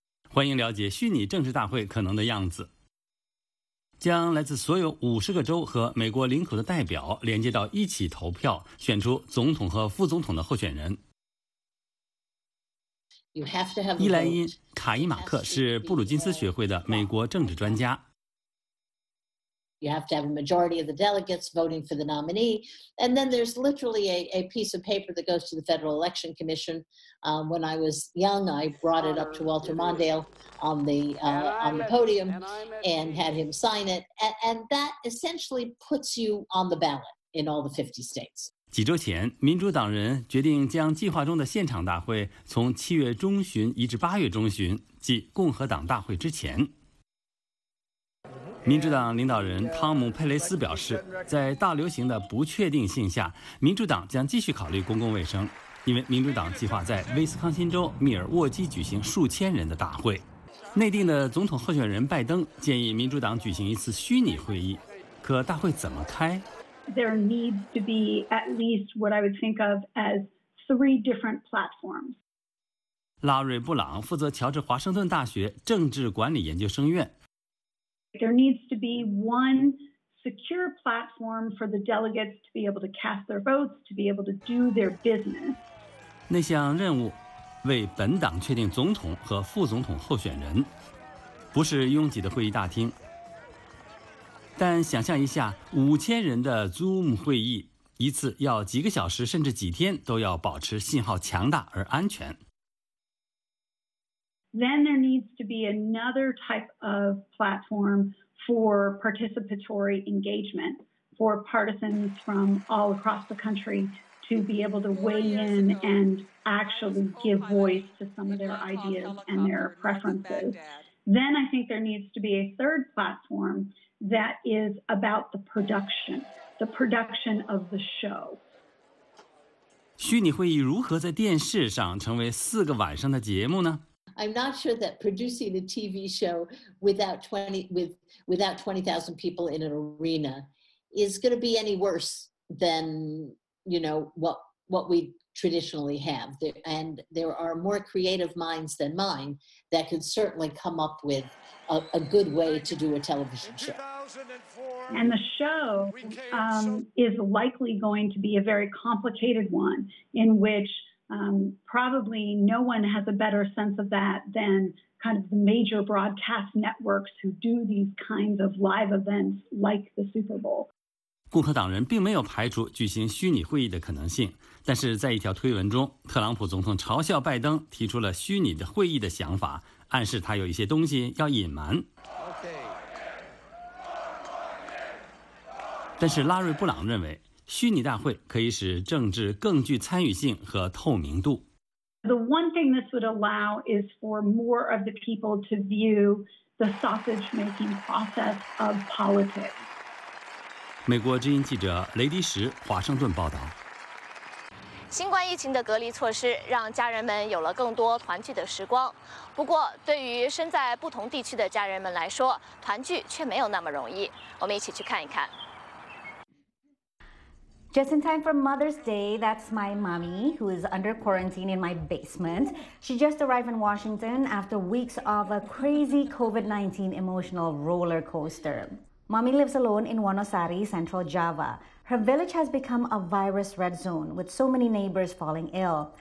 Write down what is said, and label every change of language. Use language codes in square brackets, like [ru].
[zh] 欢迎了解虚拟政治大会可能的样子，将来自所有50个州和美国领土的代表连接到一起投票，选出总统和副总统的候选人。伊莱因·卡伊马克是布鲁金斯学会的美国政治专家。 [en] You have to have a majority of the delegates voting for the nominee, and then there's literally a piece of paper that goes to the Federal Election Commission. When I was young, I brought it up to Walter Mondale on the podium and had him sign it, and that essentially puts you on the ballot in all the 50 states. [zh] 几周前，民主党人决定将计划中的现场大会从七月中旬移至八月中旬，即共和党大会之前。民主党领导人汤姆·佩雷斯表示，在大流行的不确定性下，民主党将继续考虑公共卫生，因为民主党计划在威斯康辛州密尔沃基举行数千人的大会。内定的总统候选人拜登建议民主党举行一次虚拟会议，可大会怎么开？ [en] There needs to be at least what I would think of as three different platforms. [zh] 拉瑞·布朗负责乔治华盛顿大学政治管理研究生院。 [en] There needs to be one secure platform for the delegates to be able to cast their votes, to be able to do their business. [zh] 那项任务，为本党确定总统和副总统候选人，不是拥挤的会议大厅。但想象一下，5000人的 Zoom 会议，一次要几个小时，甚至几天，都要保持信号强大而安全。 [en] Then there needs to be another type of platform for participatory engagement for partisans from all across the country to be able to weigh in and actually give voice to some of their ideas and their preferences. Then I think there needs to be a third platform that is about the production of the show. [zh] 虚拟会议如何在电视上成为4个晚上的节目呢？ [en] I'm not sure that producing a TV show without 20,000 people in an arena is going to be any worse than, you know, what we traditionally have. And there are more creative minds than mine that could certainly come up with a good way to do a television show. And the show is likely going to be a very complicated one in which probably no one has a better sense of that than kind of the major broadcast networks who do these kinds of live events like the Super Bowl. [zh] 共和党人并没有排除举行虚拟会议的可能性，但是在一条推文中，特朗普总统嘲笑拜登提出了虚拟的会议的想法，暗示他有一些东西要隐瞒。但是拉瑞·布朗认为，虚拟大会可以使政治更具参与性和透明度。 [en] The one thing this would allow is for more of the people to view the sausage-making process of politics. [zh] 美国之音记者雷迪什华盛顿报道。新冠疫情的隔离措施让家人们有了更多团聚的时光，不过对于身在不同地区的家人们来说，团聚却没有那么容易。我们一起去看一看。 [en] Just in time for Mother's Day, that's my mommy who is under quarantine in my basement. She just arrived in Washington after weeks of a crazy COVID-19 emotional roller coaster. Mommy lives alone in Wanasari, Central Java. Her village has become a virus red zone with so many neighbors falling ill.